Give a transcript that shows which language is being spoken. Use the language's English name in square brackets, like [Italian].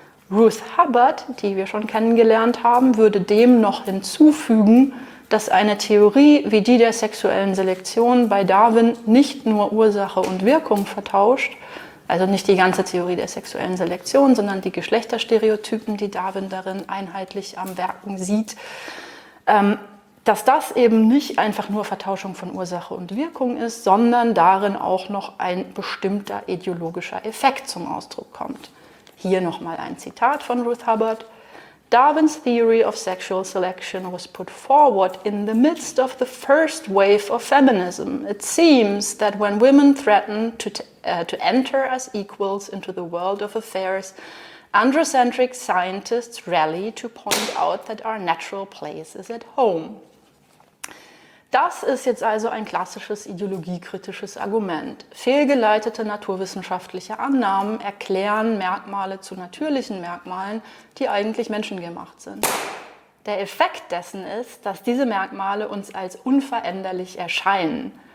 [German] Ruth Hubbard, die wir schon kennengelernt haben, würde dem noch hinzufügen, dass eine Theorie wie die der sexuellen Selektion bei Darwin nicht nur Ursache und Wirkung vertauscht, also nicht die ganze Theorie der sexuellen Selektion, sondern die Geschlechterstereotypen, die Darwin darin einheitlich am Werken sieht, dass das eben nicht einfach nur Vertauschung von Ursache und Wirkung ist, sondern darin auch noch ein bestimmter ideologischer Effekt zum Ausdruck kommt. Hier nochmal ein Zitat von Ruth Hubbard. [English] Darwin's theory of sexual selection was put forward in the midst of the first wave of feminism. It seems that when women threatened to enter as equals into the world of affairs, androcentric scientists rally to point out that our natural place is at home. [German] Das ist jetzt also ein klassisches ideologiekritisches Argument. Fehlgeleitete naturwissenschaftliche Annahmen erklären Merkmale zu natürlichen Merkmalen, die eigentlich menschengemacht sind. Der Effekt dessen ist, dass diese Merkmale uns als unveränderlich erscheinen.